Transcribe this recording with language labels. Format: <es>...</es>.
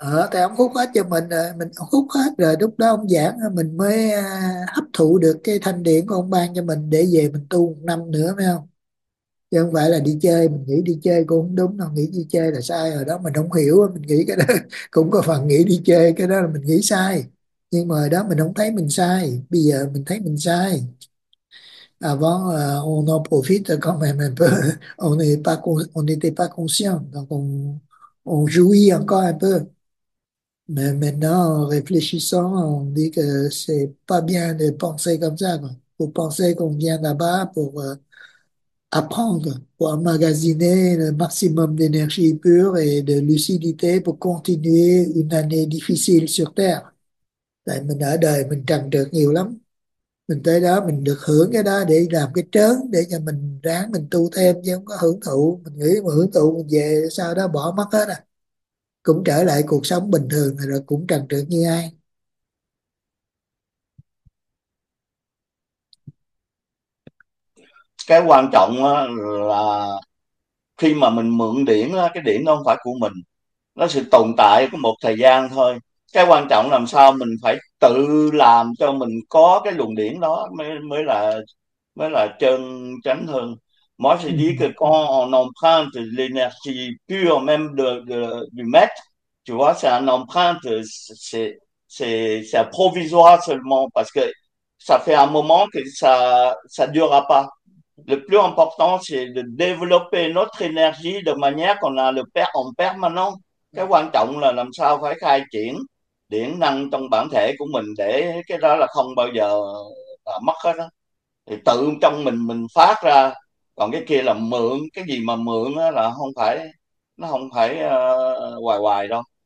<vi>Thầy ông hút hết cho mình rồi, mình hút hết rồi lúc đó ông giảng mình mới hấp thụ được cái thanh điển của ông ban cho mình để về mình tu 1 năm nữa, phải không? Chứ không phải là đi chơi, mình nghĩ đi chơi cũng không đúng đâu, nghĩ đi chơi là sai rồi đó, mình không hiểu, mình nghĩ cái đó cũng có phần nghĩ đi chơi, cái đó là mình nghĩ sai, nhưng mà đó mình không thấy mình sai, bây giờ mình thấy mình sai.</vi> <fr>Avant, on en profite quand même un peu, on n'était pas conscient, donc on jouit encore un peu. Mais maintenant, en réfléchissant, on dit que c'est pas bien de penser comme ça, quoi. Vous pensez qu'on vient là-bas pour apprendre, pour emmagasiner le maximum d'énergie pure et de lucidité pour continuer une année difficile sur Terre.</fr> <vi>Tại mình ở đời mình trần trượt nhiều lắm. Mình tới đó mình được hưởng cái đó để làm cái trớn để cho mình ráng mình tu thêm chứ không có hưởng thụ. Mình nghĩ mà hưởng thụ mình về sau đó bỏ mất hết à. Cũng trở lại cuộc sống bình thường rồi cũng trần trượt như ai. Cái quan trọng là khi mà mình mượn điển, cái điển nó không phải của mình, nó sẽ tồn tại có một thời gian thôi. Cái quan trọng làm sao mình phải tự làm cho mình có cái luồng điển đó mới là chân chánh hơn.</vi> <fr>Moi je dis que quand on emprunte l'énergie pure même du maître, tu vois, c'est un emprunt, c'est provisoire seulement, parce que ça fait un moment que ça durera pas. Le plus important, c'est de développer notre énergie de manière qu'on a le per en permanence.</fr> <vi>Cái quan trọng là làm sao phải khai triển điện năng trong bản thể của mình để cái đó là không bao giờ là mất hết đó. Thì tự trong mình phát ra, còn cái kia là mượn, cái gì mà mượn đó là không phải, nó không phải hoài hoài đâu.</vi>